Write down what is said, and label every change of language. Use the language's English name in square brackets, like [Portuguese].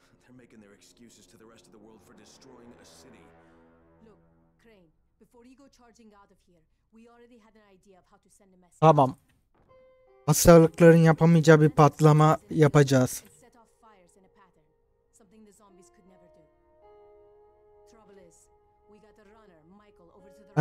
[English] Making their excuses to the rest of the world for destroying a city. Look, Crane, before you go charging out of here, we already had an idea of how to send a message. [Turkish] Tamam. Hastalıkların yapamayacağı bir patlama yapacağız. [English] Set off fires in a pattern. Something the zombies could never do. Trouble is, we got a runner, Michael, over to the...